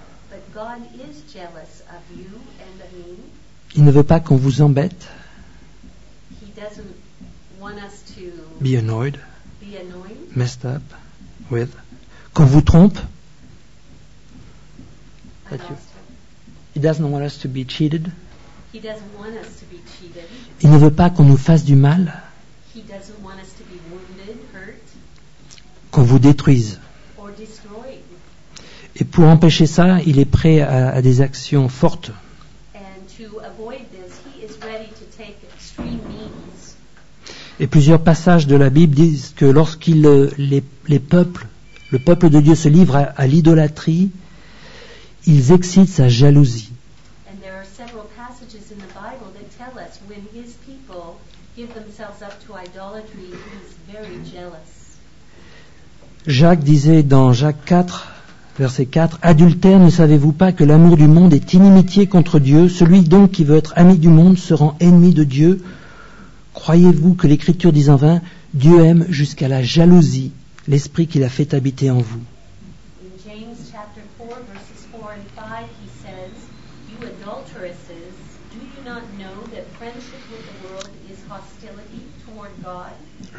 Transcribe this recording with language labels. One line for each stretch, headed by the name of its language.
English: But God is jealous of you and of me.
French: Il ne veut pas qu'on vous embête.
English: He doesn't want us to be annoyed, be annoyed, messed up with,
French: qu'on vous trompe.
English: He doesn't want us to be cheated. He doesn't want us to be cheated.
French: Il ne veut pas qu'on nous fasse du mal.
English: He doesn't want us to be wounded, hurt,
French: qu'on vous détruise.
English: Or destroyed.
French: Et pour empêcher ça, il est prêt à des actions fortes.
English: And to avoid this, he is ready to take extreme means.
French: Et plusieurs passages de la Bible disent que lorsqu'il le peuple de Dieu se livre à l'idolâtrie, ils excitent sa jalousie.
English: And there are several passages in the Bible that tell us when his people give themselves up to idolatry, he is very jealous.
French: Jacques disait dans Jacques 4, verset 4, « Adultère, ne savez-vous pas que l'amour du monde est inimitié contre Dieu ? Celui donc qui veut être ami du monde se rend ennemi de Dieu. Croyez-vous que l'Écriture dit en vain, Dieu aime jusqu'à la jalousie l'esprit qu'il a fait habiter en vous ?»
English: In James chapter 4, verses 4 and 5, he says, « You adulteresses, do you not know that friendship with the world is hostility toward God ?